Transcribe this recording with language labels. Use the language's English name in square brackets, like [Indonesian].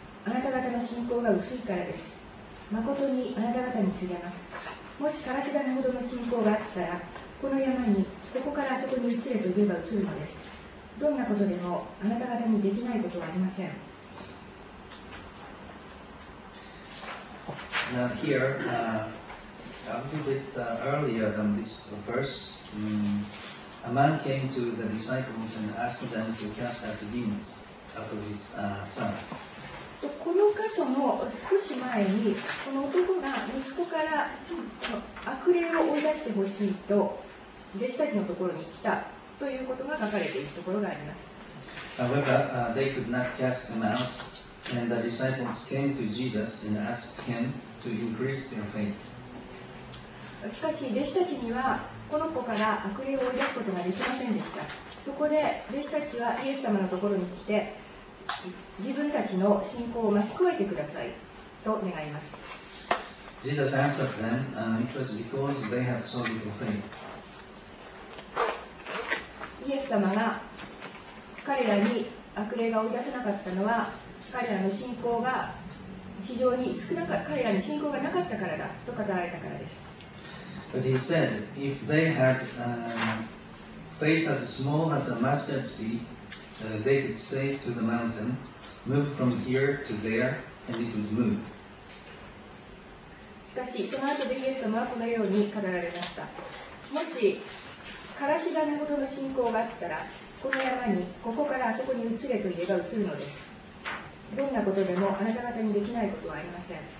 [Japanese] あなた方の信仰が薄いからです。まことにあなた方に告げます。もしからし種ほどの信仰があったら、この山にここからあそこに移れと言えば移るのです。どんなことでもあなた方にできないことはありません。 [English] Now here, a little bit earlier than this verse, a man came to the disciples and asked them to cast out the demons out of his son. [Japanese] この箇所の少し前に、この男が息子から悪霊を追い出してほしいと弟子たちのところに来たということが書かれているところがあります。 [English] However, they could not cast him out, and the disciples came to Jesus and asked him to increase their faith. [Japanese] しかし弟子たちにはこの子から悪霊を追い出すことができませんでした。そこで弟子たちはイエス様のところに来て、自分たちの信仰を増し加えてくださいと願います。 [English] Jesus answered them, it was because they had so little faith. [Japanese] イエス様が彼らに悪霊が追い出せなかったのは彼らの信仰が非常に少なかった、彼らに信仰がなかったからだと語られたからです。 [English] But he said, if they had faith as small as a mustard seedthey could say to the mountain, move from here to there, and it would move. [Japanese] しかし、その後でイエス様はこのように語られました。もし、からし種ほどの信仰があったら、この山に、ここからあそこに移れと言えば移るのです。どんなことでもあなた方にできないことはありません。